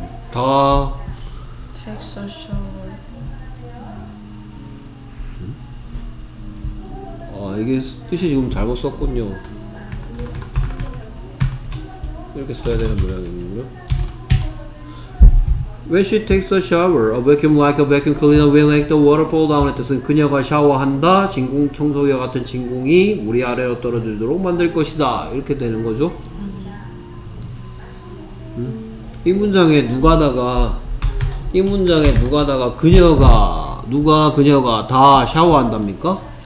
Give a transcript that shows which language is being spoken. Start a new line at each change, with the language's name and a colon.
Korean: 다.
English: Takes a shower.
Korean: 아, 이게 뜻이 지금 잘못 썼군요. 이렇게 써야 되는 모양이군요.
English: When she takes a shower, a vacuum like a vacuum cleaner will make the water fall down.
Korean: 뜻은 그녀가 샤워한다. 진공 청소기와 같은 진공이 물이 아래로 떨어지도록 만들 것이다. 이렇게 되는 거죠. 이 문장에 누가다가 그녀가 다 샤워한답니까?